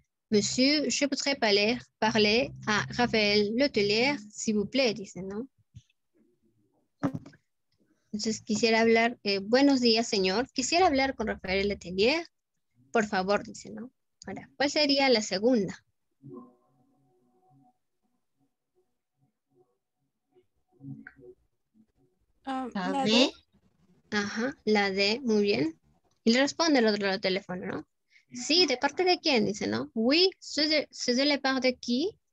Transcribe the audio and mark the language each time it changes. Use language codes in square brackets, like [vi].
[fr] Monsieur, je voudrais parler à Raphaël Letellier, s'il vous plaît, [es] dice, ¿no? Entonces quisiera hablar, buenos días, señor. Quisiera hablar con Raphaël Letellier, por favor, dice, ¿no? Ahora, ¿cuál sería la segunda? La D. Ajá, la D, muy bien. Y le responde el otro lado del teléfono, ¿no? Sí, ¿de parte de quién? Dice, ¿no? [fr] Oui, c'est de la part de qui.